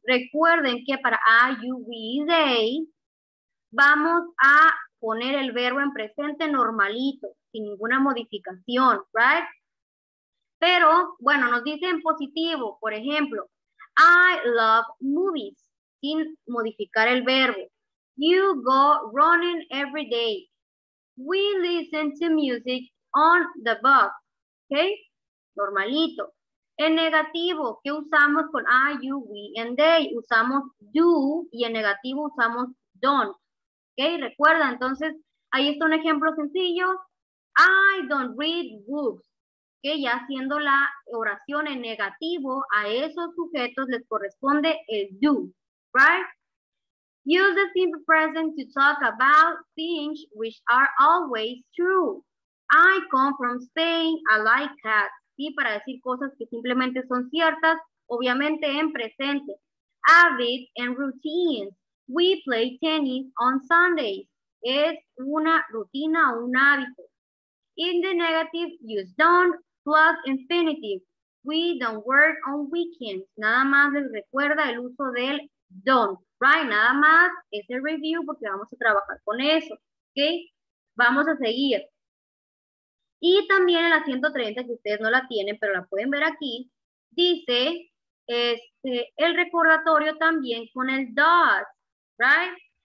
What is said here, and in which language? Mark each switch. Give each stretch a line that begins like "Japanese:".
Spanish: Recuerden que para I, you, we, they vamos a poner el verbo en presente normalito, sin ninguna modificación, right? Pero, bueno, nos dice en positivo, por ejemplo,
English: I love movies,
Spanish: sin modificar el verbo.
English: You go running every day. We listen to music on the bus.
Spanish: Okay? Normalito. En negativo, ¿qué usamos con I, you, we, and they? Usamos do y en negativo usamos don't. Okay? Recuerda, entonces, ahí está un ejemplo sencillo.
English: I don't read books.
Spanish: Okay? Ya haciendo la oración en negativo, a esos sujetos les corresponde el do.
English: Right? Use the simple present to talk about things which are always true. I come from Spain, I like cats.
Spanish: Sí, para decir cosas que simplemente son ciertas, obviamente en presente.
English: Habits and routines. We play tennis on Sundays.
Spanish: Es una rutina o un hábito.
English: In the negative, use don't plus infinitive. We don't work on weekends.
Spanish: Nada más les recuerda el uso del don't. Right, nada más ese review porque vamos a trabajar con eso, ¿ok? Vamos a seguir. Y también en la 130, que ustedes no la tienen, pero la pueden ver aquí, dice el recordatorio también con el does, right?